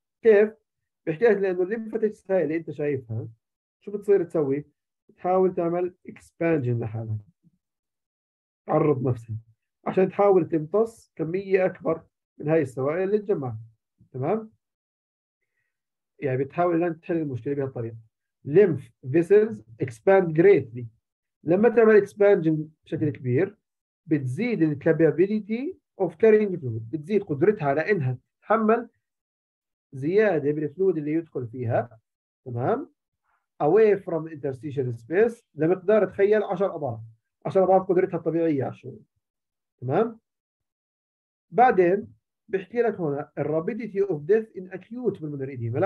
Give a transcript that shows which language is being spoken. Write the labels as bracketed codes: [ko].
[ar] كيف؟ بحكي لك لانه الليمفاتيكس هاي اللي انت شايفها شو بتصير تسوي؟ بتحاول تعمل اكسبانجن لحالها، تعرض نفسها عشان تحاول تمتص كميه اكبر من هاي السوائل اللي تجمعها. تمام؟ يعني بتحاول ان تحل المشكله بهالطريقه. [en] lymph vessels expand greatly. [ar] لما تعمل expansion بشكل كبير بتزيد الـ [en] capability of carrying fluid، [ar] بتزيد قدرتها على انها تتحمل زياده بالفلود اللي يدخل فيها، تمام؟ [en] away from interstitial space [ar] لمقدار تخيل 10 اضعاف، 10 اضعاف قدرتها الطبيعيه عشان، تمام؟ بعدين بحكي لك هنا الـ [en] rapidity of death in acute pulmonary edema.